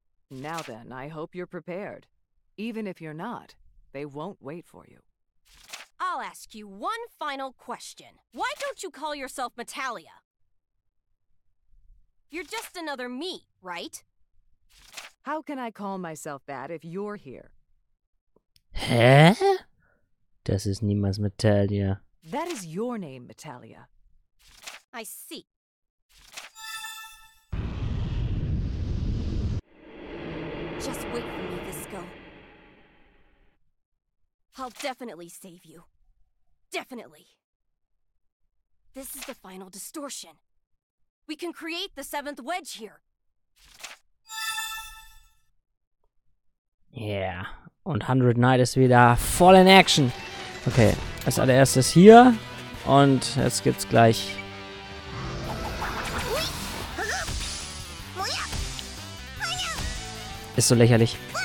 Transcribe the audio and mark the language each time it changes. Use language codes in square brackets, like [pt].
[en] Now then, I hope you're prepared. Even if you're not, they won't wait for you. I'll ask you one final question. Why don't you call yourself Metalia? You're just another me, right? How can I call myself that if you're here? Hä? [de] Das ist niemals Metalia. [en] That is your name, Metalia. I see. Just wait for me, Visco. I'll definitely save you. Definitely. This is the final distortion. We can create the seventh wedge here. Yeah. [de] Und 100 Knight ist wieder voll in Action. Okay, als allererstes hier. Und jetzt gibt's gleich. Ist so lächerlich.